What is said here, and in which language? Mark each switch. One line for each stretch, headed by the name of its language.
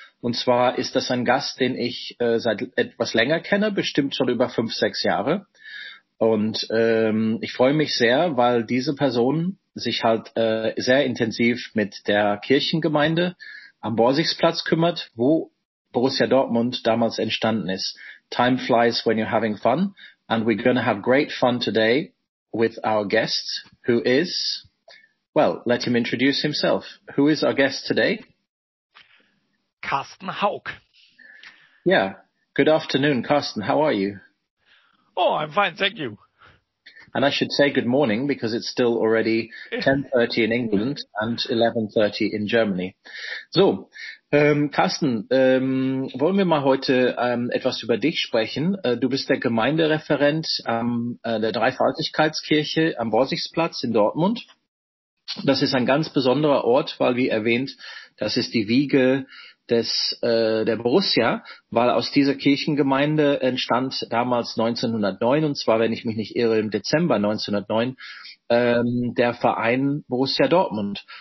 German: Und zwar ist das ein Gast, den ich seit etwas länger kenne, bestimmt schon über 5-6 Jahre. Und ich freue mich sehr, weil diese Person sich halt sehr intensiv mit der Kirchengemeinde am Borsigplatz kümmert, wo Borussia Dortmund damals entstanden ist.
English: Time flies when you're having fun. And we're going to have great fun today with our guest, who is, well, let him introduce himself. Who is our guest today? Karsten Haug. Yeah. Good afternoon, Karsten. How are you? Oh, I'm fine. Thank you. And I should say good morning because it's still already 10:30 in England and 11:30 in Germany.
German: So, Karsten, wollen wir mal heute etwas über dich sprechen? Du bist der Gemeindereferent der Dreifaltigkeitskirche am Borsigplatz in Dortmund. Das ist ein ganz besonderer Ort, weil, wie erwähnt, das ist die Wiege der Borussia, weil aus dieser Kirchengemeinde entstand damals 1909, und zwar, wenn ich mich nicht irre, im Dezember 1909, der Verein Borussia Dortmund.